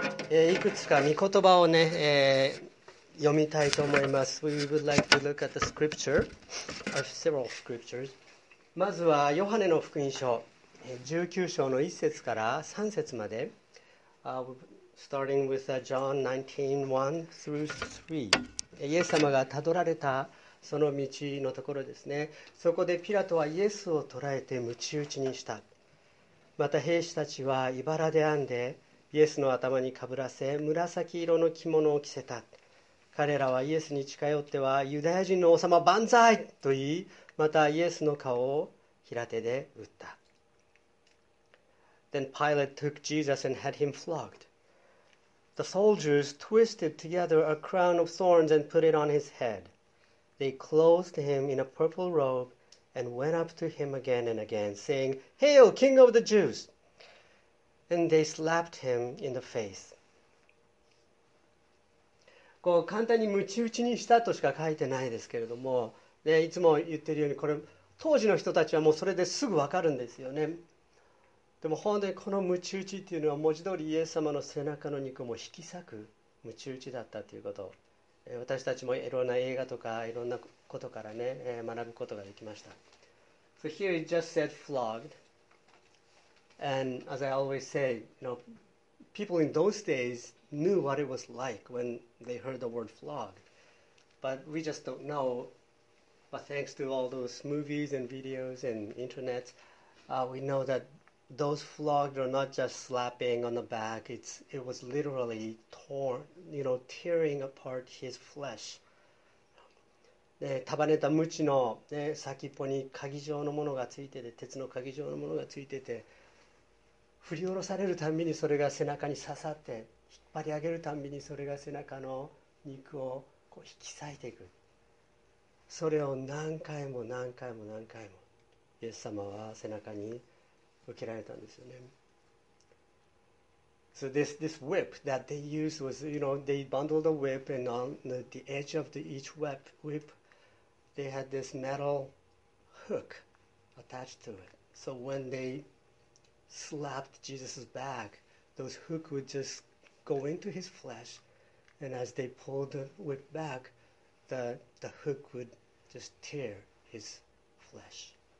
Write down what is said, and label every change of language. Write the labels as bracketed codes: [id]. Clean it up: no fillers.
[ja] いくつか御言葉を、読みたいと思います。 [en] We would like to look at the scripture, or several scriptures. [ja] まずはヨハネの福音書19章の1節から3節まで。 [en] Starting with John 19:1 through 3. [ja] イエス様がたどられたその道のところですね。そこでピラトはイエスを捕らえて鞭打ちにした。また兵士たちは茨で編んで、イエスの頭にかぶらせ紫色の着物を着せた。彼らはイエスに近寄ってはユダヤ人の王様万歳と言い、またイエスの顔を平手で打った。 [en] Then Pilate took Jesus and had him flogged. The soldiers twisted together a crown of thorns and put it on his head. They clothed him in a purple robe and went up to him again and again, saying, Hail, King of the Jews! And they slapped him in the face. [ja] こう簡単に鞭打ちにしたとしか書いてないですけれども、ね、いつも言ってるようにこれ当時の人たちはもうそれですぐ分かるんですよね。でも本当にこの鞭打ちっていうのは文字通りイエス様の背中の肉も引き裂く鞭打ちだったということ、私たちもいろんな映画とかいろんなことからね、学ぶことができました。 [en] So here it just said flogged. And as I always say, you know, people in those days knew what it was like when they heard the word flogged. But we just don't know. But thanks to all those movies and videos and internet, we know that those flogged are not just slapping on the back. It was literally torn, you know, tearing apart his flesh. [ja] で、束ねた鞭の、ね、先っぽに鍵状のものがついてて、鉄の鍵状のものがついてて、振り下ろされるたびにそれが背中に刺さって、引っ張り上げるたびにそれが背中の肉をこう引き裂いていく。それを何回も何回も何回もイエス様は背中に受けられたんですよね。 [en] So this whip that they used was, you know, they bundled the whip and on the edge of the each whip, they had this metal hook attached to it. So when they slapped Jesus' back, those hook would just go into his flesh, and as they pulled the whip back, the hook would just tear his flesh.